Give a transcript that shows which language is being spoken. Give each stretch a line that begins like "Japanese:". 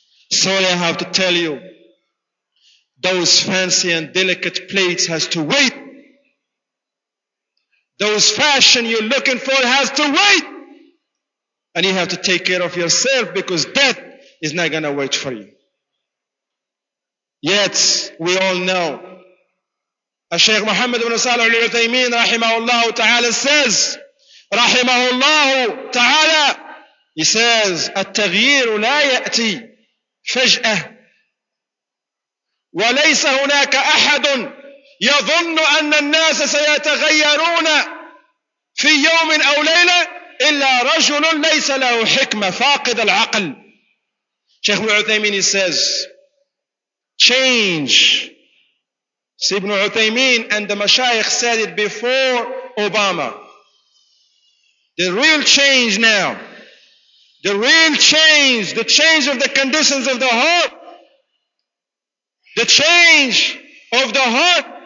English: Sorry, I have to tell you, those fancy and delicate plates has to wait. Those fashion you're looking for has to wait. And you have to take care of yourself because death is not going to wait for you. Yet, we all know, Sheikh Muhammad ibn Salih al-Uthaymeen rahimahullahu ta'ala says, rahimahullahu ta'ala, he says,
Arabic: التغيير لا يأتي فجأة وليس هناك أحد يظن أن الناس سيتغيرون في يوم أو ليلة إلا رجل ليس له حكمة فاقد العقل.
English: Sheikh ibn Uthaymeen, he says, change. See, Ibn Uthaymeen and the Mashaykh said it before Obama. The real change now, the real change, the change of the conditions of the heart, the change of the heart.